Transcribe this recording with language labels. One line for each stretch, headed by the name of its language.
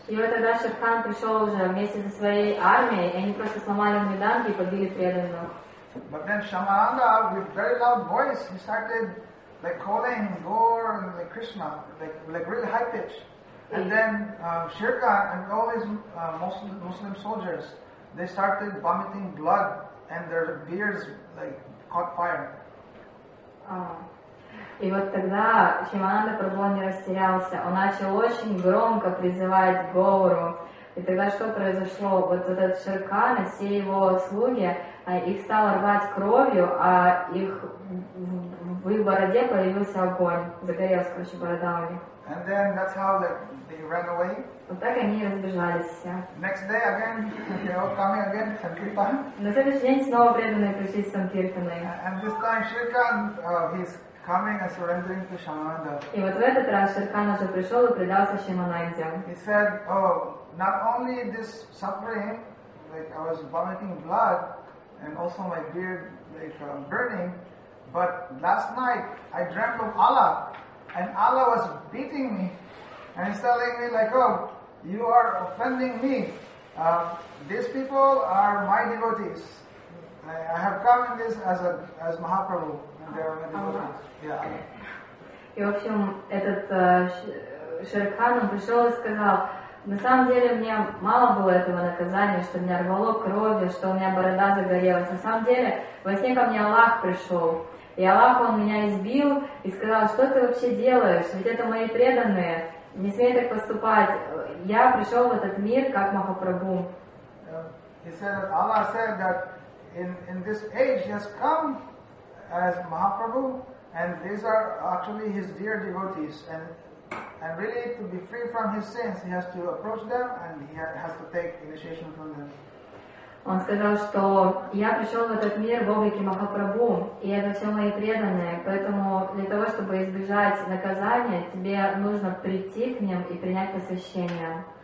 Russian: И вот тогда Шерхан пришел уже вместе со своей армией, и они просто сломали меданги и побили преданных.
English: But then Shamananda, with very loud voice, he started like calling Gaur and like Krishna, like really high pitch. And then Shirka and all his Muslim soldiers, they started vomiting blood, and their beards like caught fire.
Russian: И вот тогда Шамананда Прабху не растерялся. Он начал очень громко призывать Гору. И тогда что произошло? Вот этот Шеркан и все его слуги, их стало рвать кровью, а их в их бороде появился огонь. Загорелся, короче, борода у них.
English: And then that's how they ran away.
Russian: Вот так они разбежались все.
English: Next day again, they're all coming again, Sankirtan.
Russian: На следующий день снова преданные пришли с Санкиртаной.
English: And this time Shirkan, he's coming and surrendering to Shamananda.
Russian: И вот в этот раз Шеркан уже пришел и предался Шамананде.
English: He said, oh, not only this suffering, like I was vomiting blood, and also my beard like burning, but last night I dreamt of Allah, and Allah was beating me, and he's telling me like, oh, you are offending me. These people are my devotees. I have come in this as Mahaprabhu, and they are my devotees. Yeah.
Russian: И в общем этот Шерхан пришел и сказал. На самом деле мне мало было этого наказания, что меня рвало кровью, что у меня борода загорелась. На самом деле во сне ко мне Аллах пришел, и Аллах он меня избил и сказал, что ты вообще делаешь, ведь это мои преданные, не смей так поступать. Я пришел в этот мир как Махапрабху.
English: He said that Allah said that in this age he has come as Mahaprabhu, and these are actually his dear devotees, and really to be free from his sins he has to approach them and he has to take initiation from them.
Russian: Он сказал, что я пришел в этот мир в облике Махапрабху, и это все мои преданные, поэтому для того, чтобы избежать наказания, тебе нужно прийти к ним и принять посвящение.